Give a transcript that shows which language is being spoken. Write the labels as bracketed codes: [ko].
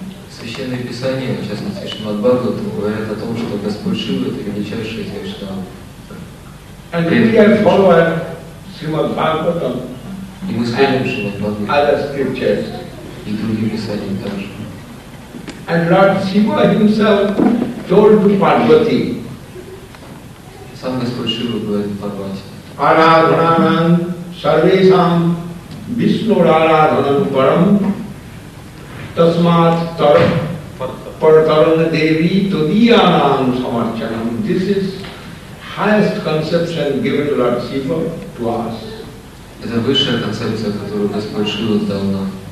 [ru] Священное Писание, в частности Шримад Бхагаватам, говорят о том, что Господь Шива – это величайший из Вайшнава. [en] And if we are following Srimad Bhagavatam, [ru] и мы следуем Шримад Бхагаватам и другим писаниям также. [en] And Lord Shiva himself told to Parvati. [ru] Сам Господь Шива говорит Парвати. [sa] Арадханам сарвесам Вишну Арадханам парам тасмат тар паратаран деви тодиянам самарчанам. [en] This is highest conception given to Lord Shiva to us. [ru] Это высшая концепция, которую Господь Шива дал нам.